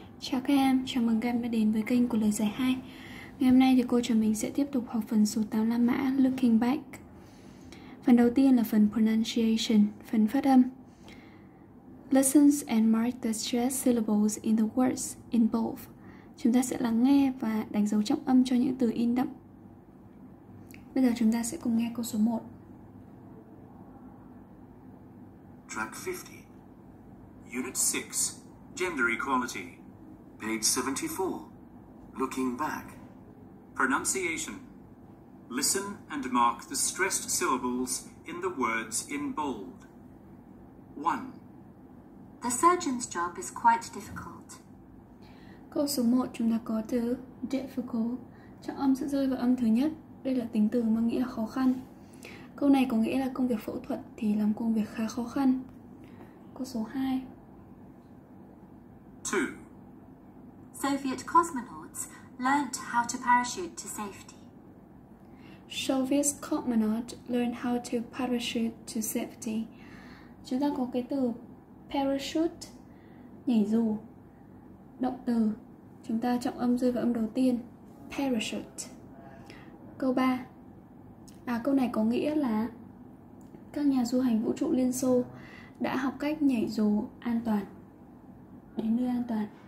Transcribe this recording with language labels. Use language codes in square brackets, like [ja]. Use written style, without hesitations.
[vi] Chào các em, chào mừng các em đã đến với kênh của lời giải 2. Ngày hôm nay thì cô chúng mình sẽ tiếp tục học phần số 8 La Mã, Looking Back. Phần đầu tiên là phần pronunciation, phần phát âm. [en] Listens and mark the stressed syllables in the words in both. [vi] Chúng ta sẽ lắng nghe và đánh dấu trọng âm cho những từ in đậm. Bây giờ chúng ta sẽ cùng nghe câu số 1. [en] Track 50. Unit 6. Gender equality. Page 74. Looking back. Pronunciation. Listen and mark the stressed syllables in the words in bold. 1. The surgeon's job is quite difficult. [vi] Câu số 1 chúng ta có từ difficult. Trọng âm sẽ rơi vào âm thứ nhất. Đây là tính từ mang nghĩa là khó khăn. Câu này có nghĩa là công việc phẫu thuật thì làm công việc khá khó khăn. Câu số 2. 2. [en] Soviet cosmonauts learned how to parachute to safety. Soviet cosmonauts learned how to parachute to safety. [vi] Chúng ta có cái từ parachute, nhảy dù. Động từ, chúng ta trọng âm rơi vào âm đầu tiên, parachute. Câu 3. Câu này có nghĩa là các nhà du hành vũ trụ Liên Xô đã học cách nhảy dù an toàn, đến nơi an toàn.